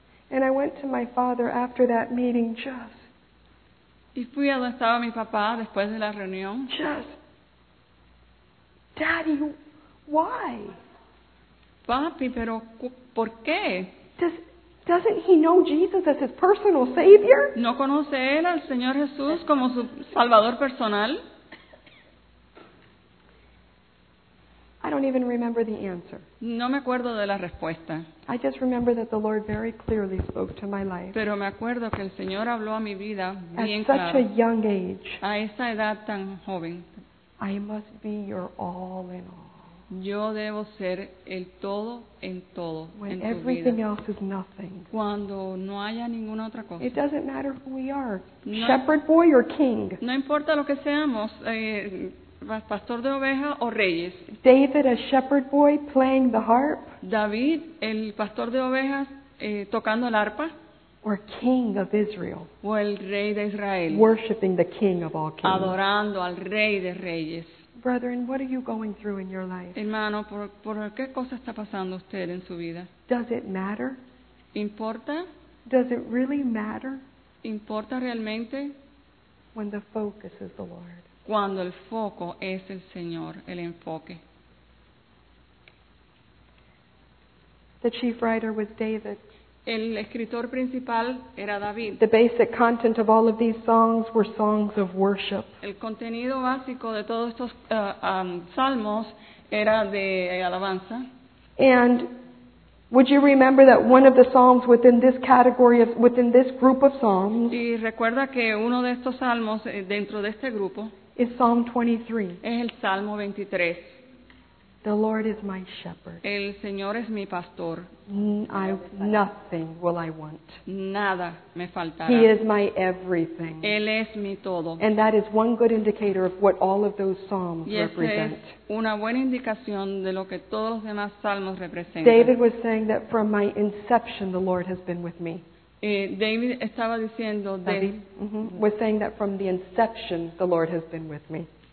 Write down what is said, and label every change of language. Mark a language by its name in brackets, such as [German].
[English] And I went to my father after that meeting just. [Spanish] Y fui a donde estaba mi papá después de la reunión. [English] Just. Daddy, why? [Spanish] Papi, pero ¿por qué? [English] Doesn't he know Jesus as his personal savior? [Spanish] ¿No conoce él al Señor Jesús como su salvador personal? [English] I don't even remember the answer. [Spanish] No me acuerdo de la respuesta. [English] I just remember that the Lord very clearly spoke to my life. [Spanish] Pero me acuerdo que el Señor habló a mi vida bien claro. [English] At such a young age. [Spanish] A esa edad tan joven. [English] I must be your all in all. [Spanish] Yo debo ser el todo en todo [English] when [Spanish] en tu [English] everything [Spanish] vida. [English] Else is nothing. [Spanish] Cuando no haya ninguna otra cosa. [English] It doesn't matter who we are, shepherd boy or king. [Spanish] No importa lo que seamos, pastor de oveja o reyes. [English] David, a shepherd boy playing the harp. [Spanish] David, el pastor de ovejas tocando el arpa. [English] Or king of Israel. [Spanish] O el rey de Israel. [English] Worshiping the king of all kings. [Spanish] Adorando al rey de reyes. [English] Brethren, what are you going through in your life? [Spanish] Hermano, ¿por qué cosa está pasando usted en su vida? [English] Does it matter? [Spanish] ¿Importa? [English] Does it really matter? [Spanish] ¿Importa realmente? [English] When the focus is the Lord. [Spanish] Cuando el foco es el Señor, el enfoque. [English] The chief writer was David. [Spanish] El escritor principal era David. [English] The basic content of all of these songs were songs of worship. [Spanish] El contenido básico de todos estos salmos era de alabanza. [English] And would you remember that one of the psalms within this category of within this group of psalms? [Spanish] Y recuerda que uno de estos salmos dentro de este grupo [English] is Psalm 23. [Spanish] Es el Salmo 23. [English] The Lord is my shepherd. [Spanish] El Señor es mi pastor. [English] Nothing will I want. [Spanish] Nada me faltará. [English] He is my everything. [Spanish] Él es mi todo. [English] And that is one good indicator of what all of those psalms represent. [Spanish] Y es una buena indicación de lo que todos los demás salmos representan. [English] David was saying that from my inception, the Lord has been with me. [Spanish] David estaba diciendo. [English] David was saying that from the inception, the Lord has been with me.